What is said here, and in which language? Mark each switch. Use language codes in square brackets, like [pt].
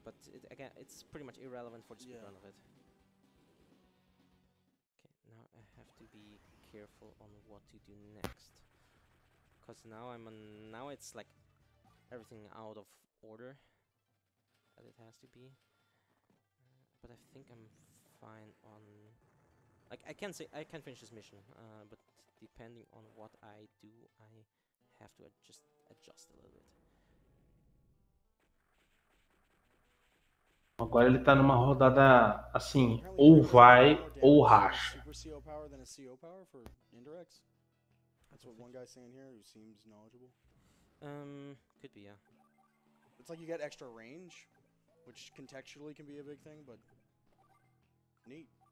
[en] But it, again, it's pretty much irrelevant for the speedrun of it. Now I have to be careful on what to do next, because now I'm now it's like everything out of order that it has to be. But I think I'm fine on like I can finish this mission, but depending on what I do, I have to adjust a little bit. [pt] Agora ele tá numa rodada assim, ou vai ou racha. [en] Super CO power than a CO power for indirects? That's what one guy saying here who seems knowledgeable. Could be, yeah. It's like you get extra range, which contextually can be a big thing, but neat.